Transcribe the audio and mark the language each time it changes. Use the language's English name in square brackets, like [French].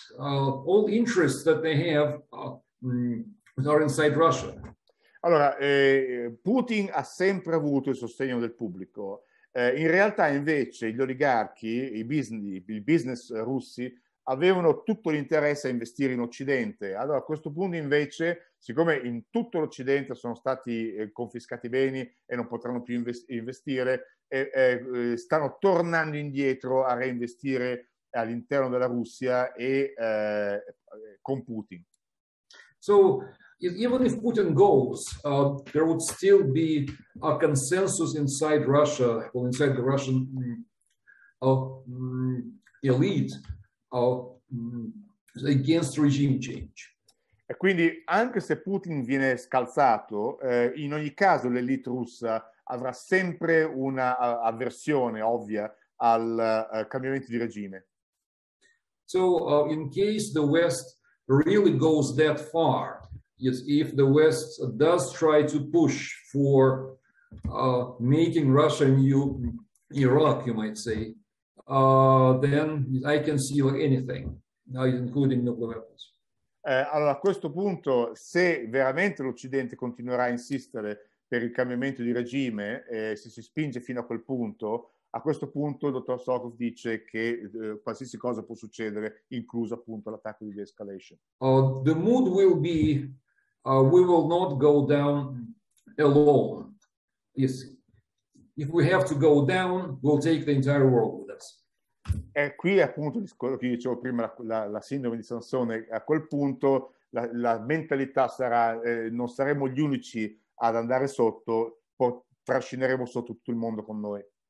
[English] All interests that they have are inside Russia. [Italian] Allora, Putin ha sempre avuto il sostegno del pubblico. In realtà, invece, gli oligarchi, i business russi, avevano tutto l'interesse a investire in Occidente. Allora, a questo punto, invece, siccome in tutto l'Occidente sono stati confiscati i beni e non potranno più investire, stanno tornando indietro a reinvestire all'interno della Russia e con Putin. [English] So, even if Putin goes, there would still be a consensus inside Russia, well, inside the Russian of elite of against regime change. [Italian] E quindi anche se Putin viene scalzato, in ogni caso l'elite russa avrà sempre una avversione ovvia al cambiamento di regime. [English] So in case the West really goes that far, yes, if the West does try to push for making Russia a new Iraq, you might say, then I can see anything, including nuclear weapons. [Italian] Allora, a questo punto, se veramente l'Occidente continuerà a insistere per il cambiamento di regime, se si spinge fino a quel punto, a questo punto il dottor Sokov dice che qualsiasi cosa può succedere, incluso appunto l'attacco di de-escalation. [English] The mood will be, we will not go down alone. Yes. If we have to go down, we'll take the entire world with us. [Italian] E qui appunto quello che dicevo prima, la sindrome di Sansone, a quel punto la mentalità sarà, non saremo gli unici ad andare sotto, trascineremo sotto tutto il mondo con noi.